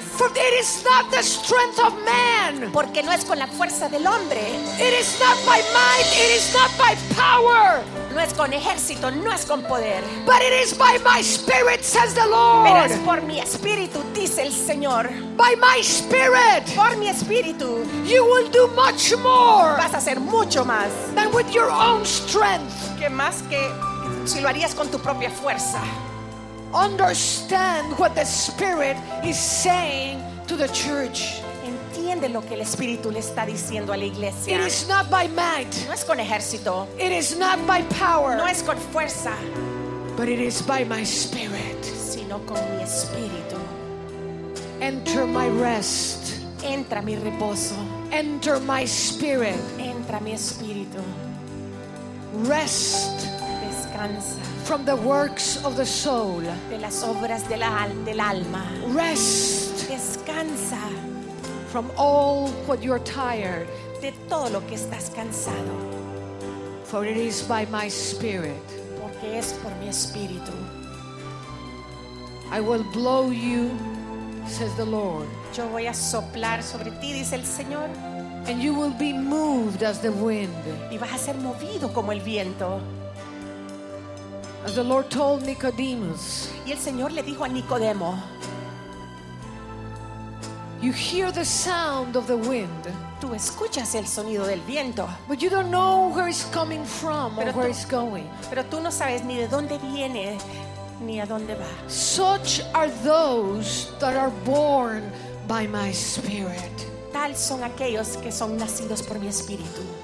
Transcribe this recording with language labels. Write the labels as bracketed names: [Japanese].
[English] For it is not the strength of man. [Spanish] Porque no es con la fuerza del hombre. [English] It is not by might. It is not by power. [Spanish] No es con ejército, no es con poder. [English] But it is by my spirit, says the Lord. [Spanish] Pero es por mi espíritu, dice el Señor. [English] By my spirit. [Spanish] Por mi espíritu. [English] You will do much more. [Spanish] Vas a hacer mucho más. [English] Than with your own strength. [Spanish] Que más que si lo harías con tu propia fuerza. [English] Understand what the Spirit is saying to the church. [Spanish] Entiende lo que el Espíritu le está diciendo a la iglesia. [English] It is not by might. [Spanish] No es con ejército. [English] It is not by power. [Spanish] No es con fuerza. [English] But it is by my spirit. [Spanish] Sino con mi espíritu. [English] Enter my rest. [Spanish] Entra mi reposo. [English] Enter my spirit. [Spanish] Entra mi espíritu. [English] Rest. [Spanish] Descansa. [English] From the works of the soul. [Spanish] De las obras de del alma. [English] Rest. [Spanish] Descansa. [English] From all what you're tired. [Spanish] De todo lo que estás cansado. [English] For it is by my spirit. [Spanish] Porque es por mi espíritu. [English] I will blow you, says the Lord. [Spanish] Yo voy a soplar sobre ti, dice el Señor. [English] And you will be moved as the wind. [Spanish] Y vas a ser movido como el viento. [English] As the Lord told Nicodemus. [Spanish] Y el Señor le dijo a Nicodemo. [English] You hear the sound of the wind. [Spanish] Tú escuchas el sonido del viento. [English] But you don't know where it's coming from or where it's going. [Spanish] Pero tú no sabes ni de dónde viene ni a dónde va. [English] Such are those that are born by my spirit. [Spanish] Tal son aquellos que son nacidos por mi espíritu.